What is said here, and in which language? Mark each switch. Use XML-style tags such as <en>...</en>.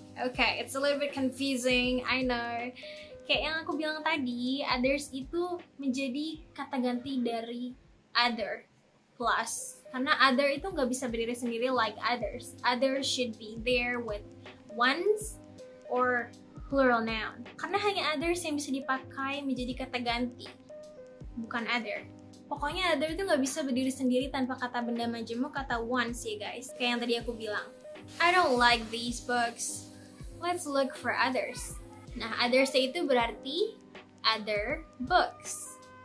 <en>Okay, it's a little bit confusing, I know.</en> <id>Kayak yang aku bilang tadi, others itu menjadi kata ganti dari other plus. Karena other itu nggak bisa berdiri sendiri</id> <en>like others. Others should be there with ones or plural noun.</en> <id>Karena hanya others yang bisa dipakai menjadi kata ganti, bukan other. Pokoknya other itu nggak bisa berdiri sendiri tanpa kata benda majemuk kata ones ya guys. Kayak yang tadi aku bilang.</id> <en>I don't like these books. Let's look for others.</en> <id>Nah, others itu berarti other books.</id>